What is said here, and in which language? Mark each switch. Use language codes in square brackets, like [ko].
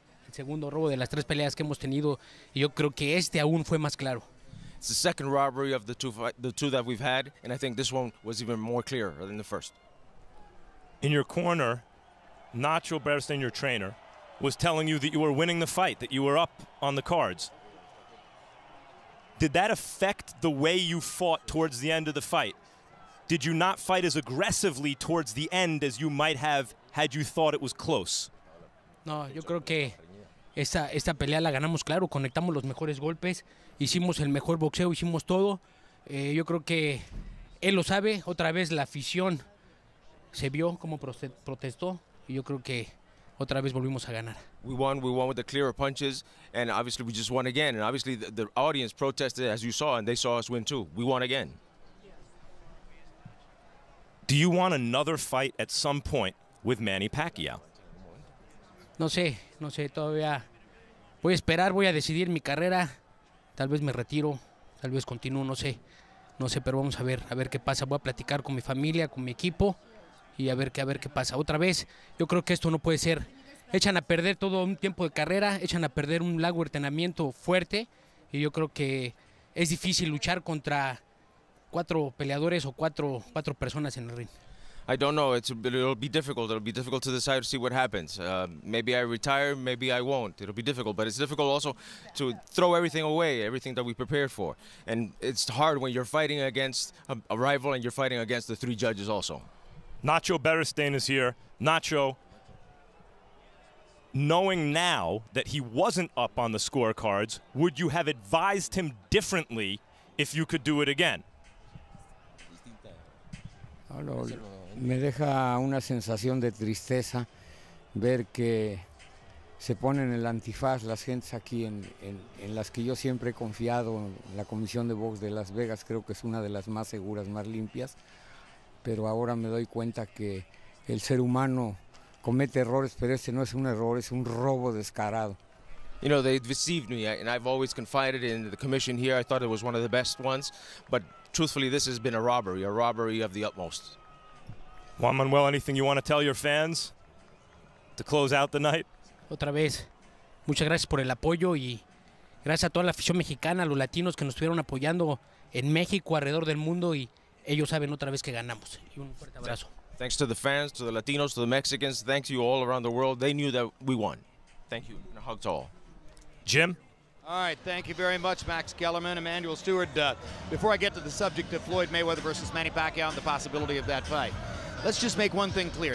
[es] El segundo robo de las tres peleas que hemos tenido, yo creo que este aún fue más claro. [en] It's the second robbery of the two that we've had, and I think this one was even more clear than the first. In your corner, Nacho Beristain, your trainer, was telling you that you were winning the fight, that you were up on the cards. Did that affect the way you fought towards the end of the fight? did you not fight as aggressively towards the end as you might have had you thought it was close? [es] No, yo creo que esta pelea la ganamos, claro, conectamos los mejores golpes, hicimos el mejor boxeo, hicimos todo. Yo creo que él lo sabe, otra vez la afición se vio como protestó y yo creo que otra vez volvimos a ganar. [en] We won with the clearer punches, and obviously we just won again, and obviously the audience protested, as you saw, and they saw us win too. We won again. Do you want another fight at some point with Manny Pacquiao? [es] No sé, todavía voy a esperar, voy a decidir mi carrera. Tal vez me retiro, tal vez continúo, no sé, pero vamos a ver qué pasa. Voy a platicar con mi familia, con mi equipo y a ver qué pasa. Otra vez, yo creo que esto no puede ser. Echan a perder todo un tiempo de carrera, echan a perder un largo entrenamiento fuerte y yo creo que es difícil luchar contra cuatro peleadores o cuatro personas en el ring. [en] I don't know. It'll be difficult to decide to see what happens. Maybe I retire, maybe I won't. It'll be difficult, but it's difficult also to throw everything away, everything that we prepared for. And it's hard when you're fighting against a rival and you're fighting against the three judges also. Nacho Beristain is here. Nacho, knowing now that he wasn't up on the scorecards, would you have advised him differently if you could do it again? Hello. [es] Me deja una sensación de tristeza ver que se ponen el antifaz las gentes aquí en las que yo siempre he confiado, en la comisión de box de Las Vegas, creo que es una de las más seguras, más limpias, pero ahora me doy cuenta que el ser humano comete errores, pero este no es un error, es un robo descarado. [en] You know, they deceived me, and I've always confided in the commission here. I thought it was one of the best ones, but truthfully, this has been a robbery of the utmost. Juan Manuel, anything you want to tell your fans to close out the night? [es] Otra vez, muchas gracias por el apoyo y gracias a toda la afición mexicana, a los latinos que nos estuvieron apoyando en México, alrededor del mundo, y ellos saben otra vez que ganamos. Y un fuerte abrazo. [en] Thanks to the fans, to the Latinos, to the Mexicans. Thank you all around the world. They knew that we won. Thank you. And a hug to all. Jim? All right, thank you very much, Max Kellerman, Emmanuel Stewart. Before I get to the subject of Floyd Mayweather versus Manny Pacquiao and the possibility of that fight, let's just make one thing clear.